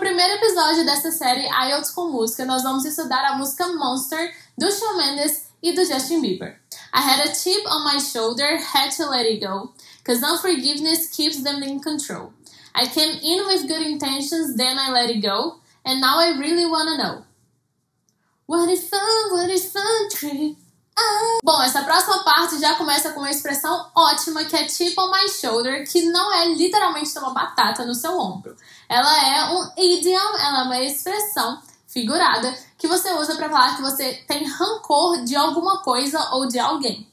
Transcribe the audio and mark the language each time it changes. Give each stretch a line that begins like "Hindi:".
Portuguese: primeiro episódio dessa série IELTS com Música, nós vamos estudar a música Monster, do Shawn Mendes e do Justin Bieber.
English: I had a chip on my shoulder, had to let it go, cause unforgiveness keeps them in control. I came in with good intentions, then I let it go, and now I really wanna know. What is fun, tree?
Portuguese: Bom, essa próxima parte já começa com uma expressão ótima, que é chip on my shoulder, que não é literalmente uma batata no seu ombro. Ela é um idiom, ela é uma expressão figurada que você usa para falar que você tem rancor de alguma coisa ou de alguém.